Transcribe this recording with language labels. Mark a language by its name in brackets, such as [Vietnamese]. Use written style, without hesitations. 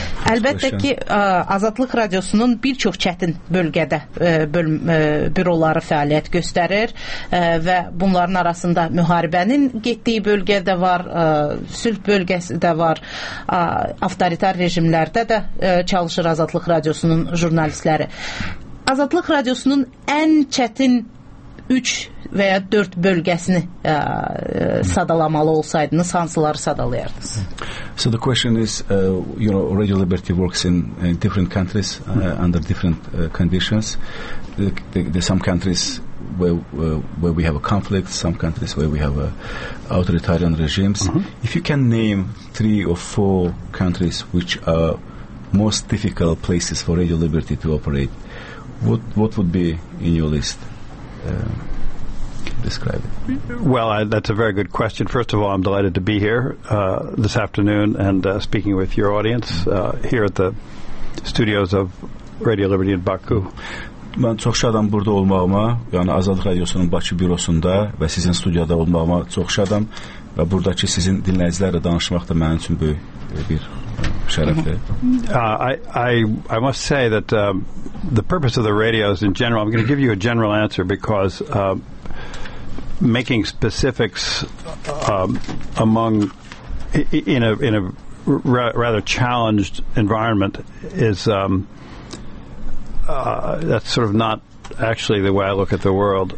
[Azerbaijani] Əlbəttə ki, Azadlıq Radiosunun bir çox çətin bölgədə büroları fəaliyyət göstərir və bunların arasında müharibənin getdiyi bölgədə var, sülh bölgəsi də var, avtoritar rejimlərdə də çalışır Azadlıq Radiosunun jurnalistləri. Azadlıq Radiosunun ən çətin 3 və ya 4 bölgəsini sadalamalı olsaydınız, hansıları sadalayardınız? [English] So the question is, you know, Radio Liberty works in different countries under different conditions. There are some countries where we have a conflict, some countries where we have authoritarian regimes. Uh-huh. If you can name 3 or 4 countries which are most difficult places for Radio Liberty to operate, what would be in your list? Describe it. Well, that's a very good question. First of all, I'm delighted to be here this afternoon and speaking with your audience here at the studios of Radio Liberty in Baku. [Azerbaijani] Mən çox şadam burada olmağıma, yəni Azadlıq Radiosunun Bakı bürosunda və sizin studiyada olmağıma çox şadam və buradakı sizin dinləyicilərlə danışmaq da mənim üçün böyük bir şərəfdir. [English] I must say that the purpose of the radios in general, I'm going to give you a general answer because making specifics among in a rather challenged environment is that's sort of not actually the way I look at the world.